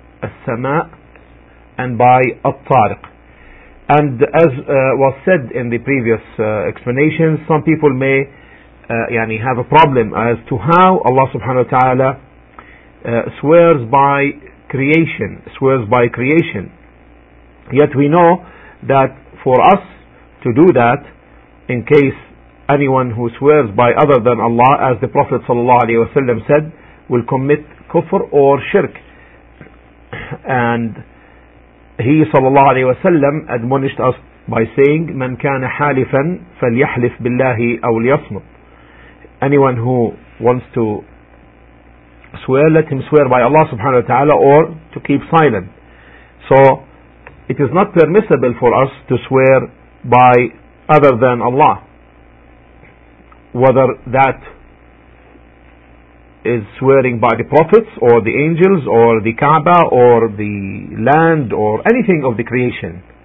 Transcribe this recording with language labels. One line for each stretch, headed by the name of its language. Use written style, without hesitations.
English: As-Sama' and by At-Tariq. And as was said in the previous explanation, some people may have a problem as to how Allah subhanahu wa ta'ala swears by creation, swears by creation. Yet we know that for us to do that, in case anyone who swears by other than Allah, as the Prophet ﷺ said, will commit kufr or shirk. And he ﷺ admonished us by saying,
Arabic: مَنْ كَانَ حَالِفًا فَلْيَحْلِفْ بِاللَّهِ أَوْ لِيَصْمُتْ.
English: Anyone who wants to swear, let him swear by Allah subhanahu wa ta'ala, or to keep silent. So it is not permissible for us to swear by other than Allah, whether that is swearing by the prophets or the angels or the Kaaba or the land or anything of the creation.